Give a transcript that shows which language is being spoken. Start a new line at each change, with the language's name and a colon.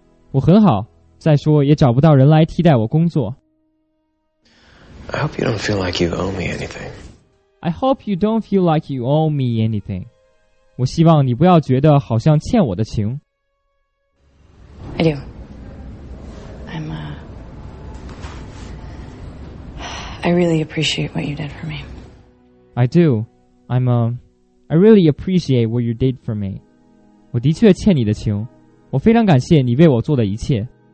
Chinese: 我很好，再说也找不到人来替代我工作。
English: I hope you don't feel like you owe me anything. I hope you don't feel like you owe me anything.
Chinese: 我希望你不要觉得好像欠我的情。
English: I do. I really appreciate what you did for me. I do. I really appreciate what you did for me.
Chinese: 我的确欠你的情，我非常感谢你为我做的一切。